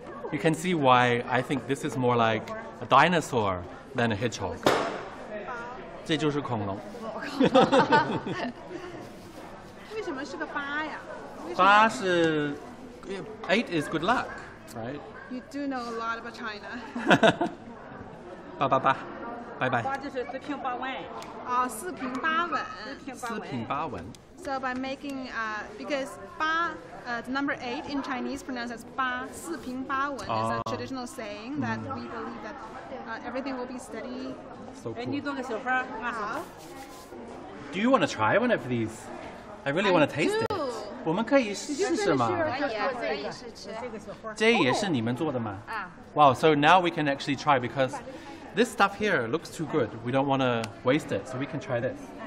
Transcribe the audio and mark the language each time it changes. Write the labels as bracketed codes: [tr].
[en] You can see why I think this is more like a dinosaur than a hedgehog. [zh] 这就是恐龙。为什么是个八呀？八是 [en] 8 is good luck, right? You do know a lot about China. [zh] 八八八。 [en] Bye bye. [zh] 八就是四平八稳。四平八稳。 [en] So by making, because ba, the number 8 in Chinese pronounced as ba, 四平八稳 is a traditional saying that we believe that everything will be steady. So cool. And you don't get so far. Do you want to try one of these? I really want to taste it. [zh] 我们可以试试吗? 可以啊。这也是你们做的吗? [en] Wow, so now we can actually try because this stuff here looks too good. We don't want to waste it, so we can try this.